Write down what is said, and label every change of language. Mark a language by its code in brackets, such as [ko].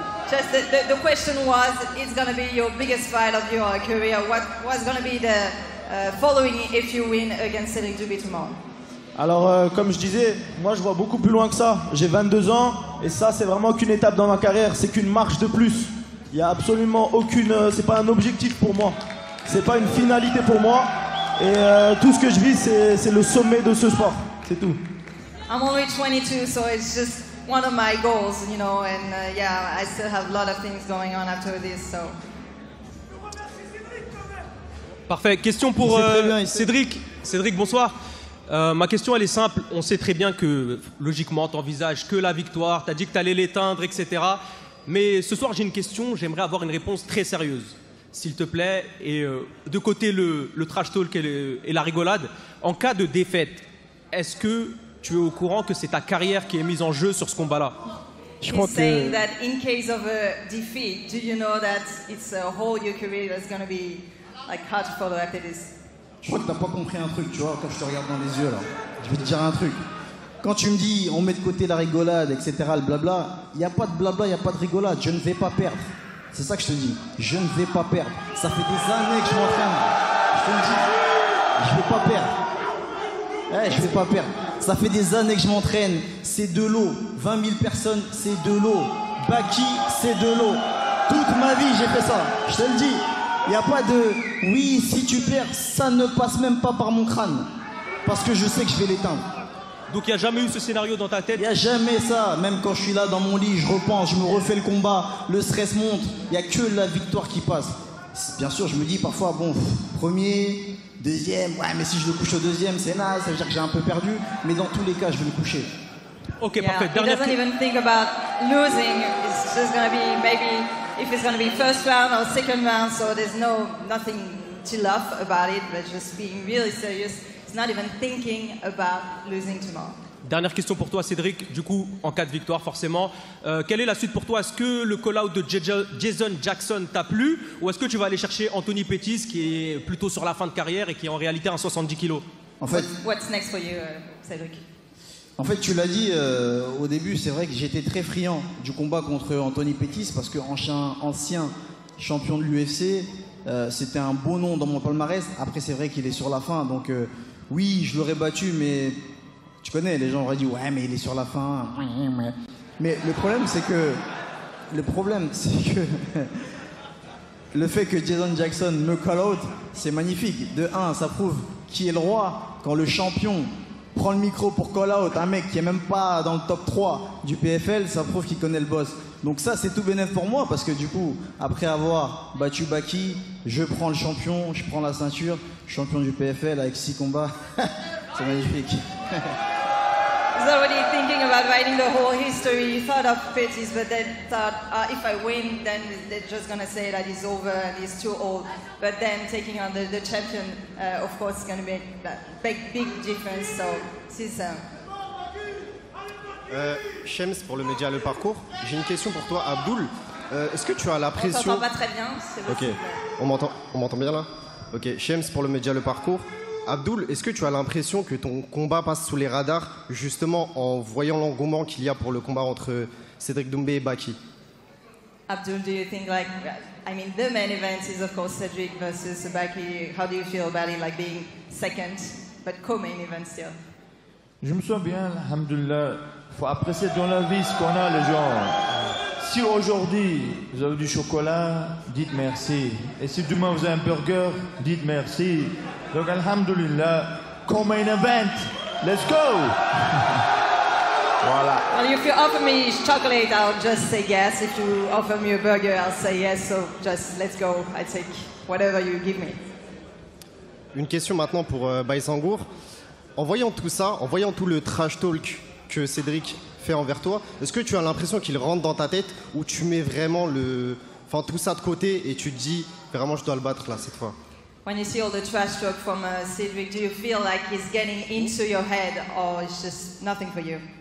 [en] The question was, it's going to be your biggest fight of your career. What's going to be the following if you win against Cédric Dubé tomorrow? [fr] Alors, comme je disais, moi je vois beaucoup plus loin que ça. J'ai 22 ans et ça, c'est vraiment qu'une étape dans ma carrière. C'est qu'une marche de plus. Il n'y a absolument aucune... c'est pas un objectif pour moi. C'est pas une finalité pour moi. Et tout ce que je vis, c'est le sommet de ce sport. C'est tout. [en] I'm only 22, so it's just... one of my goals, you know, and I still have a lot of things going on after this, so. [fr] Parfait. Question pour Cédric. Cédric, bonsoir. Ma question, elle est simple. On sait très bien que, logiquement, tu envisages que la victoire. Tu as dit que tu allais l'éteindre, etc. Mais ce soir, j'ai une question. J'aimerais avoir une réponse très sérieuse, s'il te plaît. Et de côté, le trash talk et la rigolade. En cas de défaite, est-ce que... tu es au courant que c'est ta carrière qui est mise en jeu sur ce combat-là? Je crois que... [en] saying that in case of a defeat, do you know that it's a whole your career that's going to be like hard to follow after this? [fr] Je crois que t'as pas compris un truc, tu vois, quand je te regarde dans les yeux là. Je vais te dire un truc. Quand tu me dis on met de côté la rigolade, etc., le blabla, il n'y a pas de blabla, il n'y a pas de rigolade. Je ne vais pas perdre. C'est ça que je te dis. Je ne vais pas perdre. Ça fait des années que je m'entraîne. Je te dis, je ne vais pas perdre. Hey, je ne vais pas perdre. Ça fait des années que je m'entraîne, c'est de l'eau. 20 000 personnes, c'est de l'eau. Baki, c'est de l'eau. Toute ma vie, j'ai fait ça, je te le dis. Il n'y a pas de... oui, si tu perds, ça ne passe même pas par mon crâne. Parce que je sais que je vais l'éteindre. Donc il n'y a jamais eu ce scénario dans ta tête? Il n'y a jamais ça. Même quand je suis là dans mon lit, je repense, je me refais le combat, le stress monte, il n'y a que la victoire qui passe. Bien sûr, je me dis parfois, bon, premier... deuxième, ouais, mais si je le couche au deuxième, c'est naze, ça veut dire que j'ai un peu perdu. Mais dans tous les cas, je vais le coucher. Ok, yeah, parfait. Dernière [en] question. He doesn't even think about losing. It's just going to be maybe if it's going to be first round or second round. So there's no nothing to laugh about it, but just being really serious. He's not even thinking about losing tomorrow. [fr] Dernière question pour toi, Cédric. Du coup, en cas de victoire, forcément, quelle est la suite pour toi? Est-ce que le call-out de Jason Jackson t'a plu ou est-ce que tu vas aller chercher Anthony Pettis qui est plutôt sur la fin de carrière et qui est en réalité un 70 kilos? En fait, [en] what's next for you, Cédric? [fr] En fait, tu l'as dit au début, c'est vrai que j'étais très friand du combat contre Anthony Pettis parce que ancien champion de l'UFC, c'était un beau nom dans mon palmarès. Après, c'est vrai qu'il est sur la fin, donc oui, je l'aurais battu, mais... tu connais, les gens auraient dit « ouais, mais il est sur la fin ». Mais le problème, c'est que... le fait que Jason Jackson me call out, c'est magnifique. De un, ça prouve qui est le roi quand le champion prend le micro pour call out un mec qui est même pas dans le top 3 du PFL, ça prouve qu'il connaît le boss. Donc ça, c'est tout bénef pour moi parce que du coup, après avoir battu Baki, je prends le champion, je prends la ceinture, champion du PFL avec 6 combats. C'est magnifique. [en] He's already thinking about writing the whole history. He thought of Pettis, but then thought, if I win, then they're just going to say that he's over and he's too old. But then taking on the champion, of course, is going to make a big difference. So, see you soon. [fr] Shems, pour le média Le Parcours, j'ai une question pour toi, Abdoul. Est-ce que tu as la pression... On t'entend pas très bien. Ok, on m'entend bien là. Ok, Shems, pour le média Le Parcours. Abdoul, est-ce que tu as l'impression que ton combat passe sous les radars justement en voyant l'engouement qu'il y a pour le combat entre Cédric Doumbé et Baki? [en] Abdoul, do you think like, I mean, the main event is of course Cédric versus Baki. How do you feel about it, like being second, but co-main event still? [fr] Je me sens bien, alhamdoulilah. Faut apprécier dans la vie ce qu'on a, les gens. Si aujourd'hui vous avez du chocolat, dites merci. Et si demain vous avez un burger, dites merci. [en] Donc alhamdoulilah, come in event. Let's go. Voilà. Well, if you offer me chocolate, I'll just say yes. If you offer me a burger, I'll say yes. So just let's go. I take whatever you give me. [fr] Une question maintenant pour Baysangour. En voyant tout ça, en voyant tout le trash talk que Cédric fait envers toi, est-ce que tu as l'impression qu'il rentre dans ta tête ou tu mets vraiment le, enfin tout ça de côté et tu te dis vraiment je dois le battre là cette fois? [en] When you see all the trash talk from Cédric, do you feel like he's getting into your head or it's just nothing for you?